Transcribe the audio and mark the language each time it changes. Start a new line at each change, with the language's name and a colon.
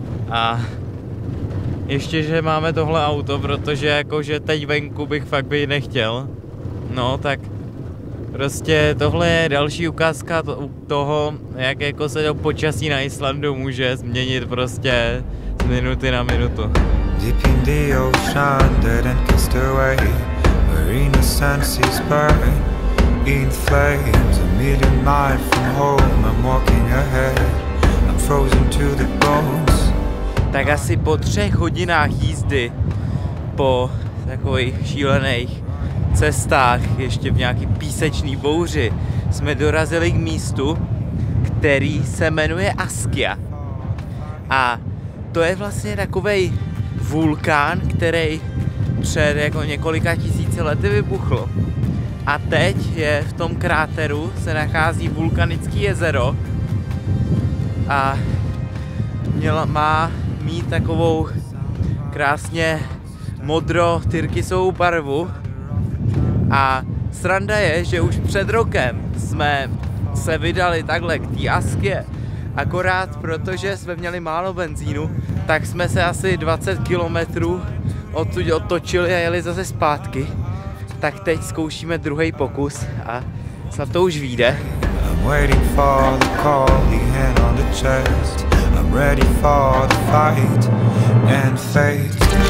Czech: A ještě, že máme tohle auto, protože jako že teď venku bych fakt by nechtěl. No tak... Prostě tohle je další ukázka toho, jak jako se to počasí na Islandu může změnit prostě z minuty na minutu.
English: Deep in the ocean, dead and cast away, marine senses burn in flames, a million miles from home, I'm walking ahead, I'm frozen to the bones.
Czech: Tak asi po 3 hodinách jízdy, po takových šílených cestách, ještě v nějaký písečný bouři, jsme dorazili k místu, který se jmenuje Askja. A to je vlastně takovej vulkán, který před jako několika tisíci lety vybuchl. A teď je v tom kráteru, se nachází vulkanický jezero a má mít takovou krásně modro-tyrkysovou barvu. A sranda je, že už před rokem jsme se vydali takhle k té Askje. Akorát protože jsme měli málo benzínu, tak jsme se asi 20 km odtud otočili a jeli zase zpátky. Tak teď zkoušíme druhý pokus a snad to už vyjde.
English: I'm waiting for the call, the hand on the chest. I'm ready for the fight and fate.